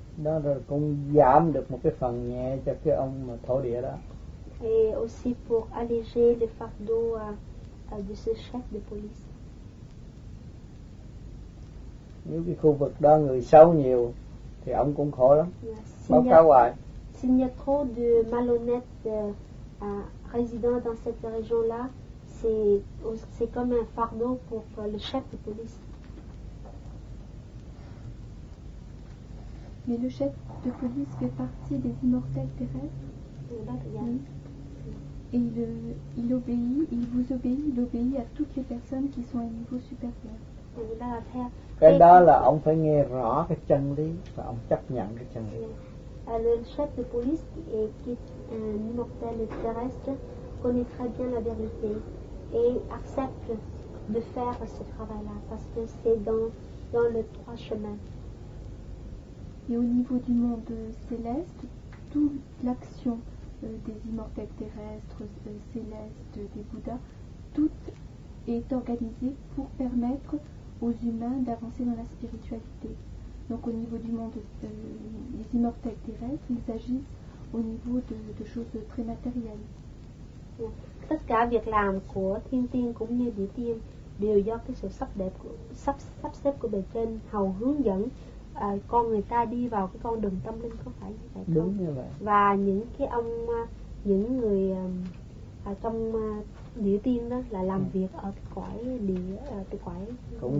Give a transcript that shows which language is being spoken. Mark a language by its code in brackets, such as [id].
[vi] Đó rồi cũng giảm được một cái phần nhẹ cho cái ông thổ địa đó. [fr] Et aussi pour alléger le fardeau de ce chef de police. [vi] Nếu cái khu vực đó người xấu nhiều thì ông cũng khổ lắm. Báo cáo hoài. [fr] S'il y a trop de malhonnêtes résidents dans cette région là, c'est comme un fardeau pour le chef de police. Mais le chef de police fait partie des immortels terrestres. Et il obéit, il vous obéit, il obéit à toutes les personnes qui sont à un niveau supérieur. [vi] Cái đó là ông phải nghe rõ cái chân lý và ông chấp nhận cái chân lý. [fr] Le chef de police et qui est un immortel terrestre connaît très bien la vérité et accepte de faire ce travail-là parce que c'est dans les trois chemins. Et au niveau du monde céleste, toute l'action des immortels terrestres, célestes, des bouddhas, tout est organisé pour permettre aux humains d'avancer dans la spiritualité. Donc au niveau du monde des immortels terrestres, ils agissent au niveau de choses très matérielles. [vi] Tất cả việc làm của thiên tiên cũng như địa tiên đều do cái sự sắp đẹp của, sắp xếp của bề trên hầu hướng dẫn con người ta đi vào cái con đường tâm linh, có phải như vậy không? Đúng như vậy. Và những cái ông những người trong địa tiên đó là làm việc ở cái cõi địa cái cõi